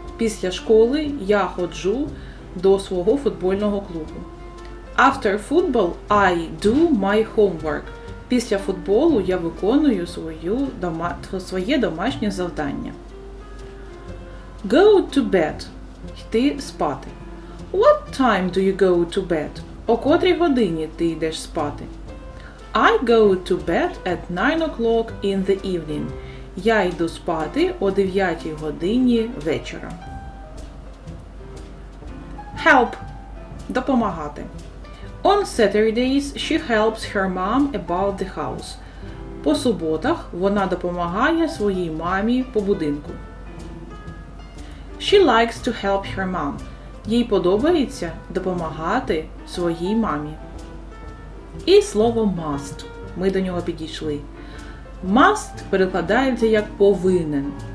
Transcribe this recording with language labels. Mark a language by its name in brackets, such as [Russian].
[Ukrainian] Після школи я ходжу до свого футбольного клубу. [English] After football I do my homework. [Ukrainian] Після футболу я виконую своє домашнє завдання. [English] Go to bed. [Ukrainian] Йти спати. [English] What time do you go to bed? [Ukrainian] О котрій годині ти йдеш спати? [English] I go to bed at 9 o'clock in the evening. [Ukrainian] Я йду спати о 9 годині вечора. Help. Допомагати. [English] On Saturdays she helps her mom about the house. [Ukrainian] По суботах вона допомагає своїй мамі по будинку. [English] She likes to help her mom. [Ukrainian] Їй подобається допомагати своїй мамі. І слово must. Ми до нього підійшли. Must перекладається як повинен.